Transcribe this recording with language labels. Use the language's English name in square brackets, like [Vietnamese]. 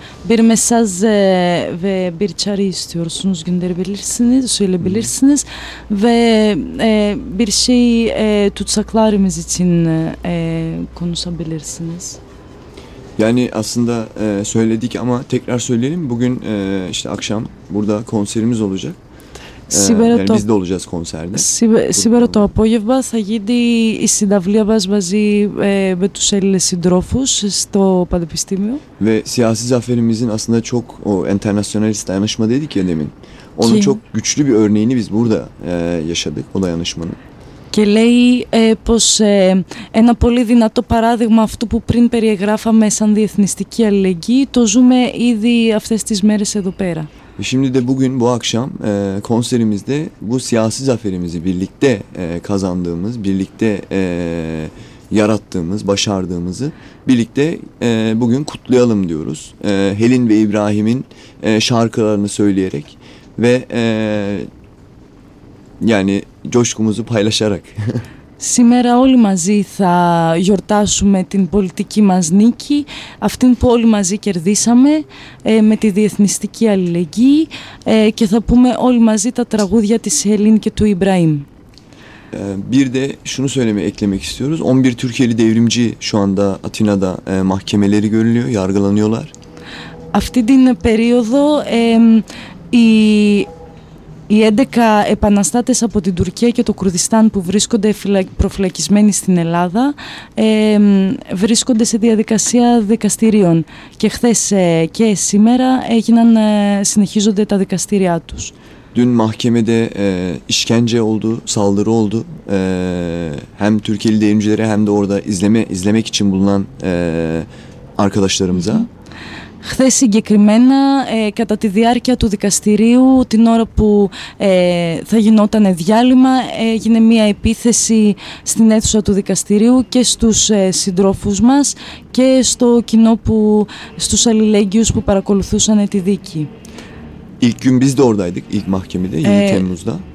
[Turkish] Bir mesaj ve bir çağrı istiyorsunuz, gönderebilirsiniz, söyleyebilirsiniz ve bir şey tutsaklarımız için konuşabilirsiniz. Yani aslında söyledik ama tekrar söyleyelim. Bugün işte akşam burada konserimiz olacak. [Greek] Σήμερα [Turkish] yani biz de olacağız konserde. [Greek] Σήμερα το απόγευμα θα γίνει η συναυλία μας μαζί με τους Έλληνες συντρόφους στο Πανεπιστήμιο. [Turkish] Ve siyasi zaferimizin aslında çok o internasyonalist dayanışma dedik ya demin. Onun çok güçlü bir örneğini biz burada yaşadık, o dayanışmanın. [Greek] Και λέει πως ένα πολύ δυνατό παράδειγμα αυτού που πριν περιεγράφαμε σαν διεθνιστική αλληλεγγύη το ζούμε ήδη αυτές τις μέρες εδώ πέρα. [Turkish] Şimdi de bugün bu akşam konserimizde bu siyasi zaferimizi birlikte kazandığımız, birlikte yarattığımız, başardığımızı birlikte bugün kutlayalım diyoruz. Helin ve İbrahim'in şarkılarını söyleyerek ve yani coşkumuzu paylaşarak. [Greek] Σήμερα όλοι μαζί θα γιορτάσουμε την πολιτική μας νίκη, αυτήν που όλοι μαζί κερδίσαμε με τη διεθνιστική αλληλεγγύη και θα πούμε όλοι μαζί τα τραγούδια της Ελίν και του Ιμπραήμ. [Turkish] Bir de şunu eklemek istiyoruz. 11 Türkiye'li devrimci şu anda Atina'da mahkemeleri görülüyor, yargılanıyorlar. [Greek] Αυτή την περίοδο οι 11 επαναστάτες από την Τουρκία και το Κουρδιστάν που βρίσκονται προφυλακισμένοι στην Ελλάδα βρίσκονται σε διαδικασία δικαστηρίων. Και χθες και σήμερα συνεχίζονται τα δικαστήριά τους. [Turkish] Dün mahkemede işkence oldu, saldırı oldu. Hem Türkiye'li devrimcilere hem de orada izlemek için bulunan arkadaşlarımıza. [Greek] Χθες συγκεκριμένα, κατά τη διάρκεια του δικαστηρίου, την ώρα που θα γινόταν διάλειμμα, έγινε μία επίθεση στην αίθουσα του δικαστηρίου και στους συντρόφους μας και στο κοινό που, στους αλληλέγγυους που παρακολουθούσαν τη δίκη. [Turkish] İlk gün biz de oradaydık, ilk mahkemede, 7 Temmuz'da.